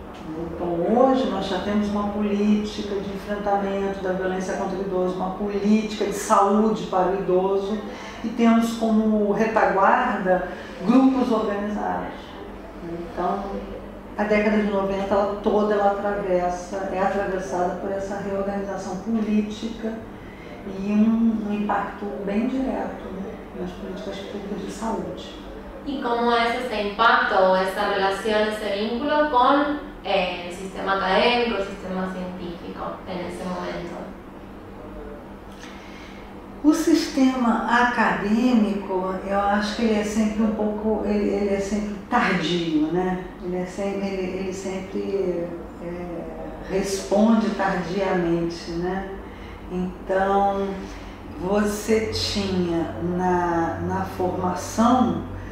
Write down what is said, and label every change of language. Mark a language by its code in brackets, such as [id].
[pt] Então, hoje nós já temos uma política de enfrentamento da violência contra o idoso, uma política de saúde para o idoso, e temos como retaguarda grupos organizados. Então, a década de 90, ela toda ela atravessa, é atravessada por essa reorganização política e um impacto bem direto, né, nas políticas públicas de saúde. [es] ¿Y cómo es ese impacto o esa relación, ese vínculo con el sistema académico, el sistema científico en ese momento? [pt] O sistema acadêmico, eu acho que ele é sempre um pouco, ele é sempre tardio, né? Ele sempre responde tardiamente, né? Então, você tinha na formação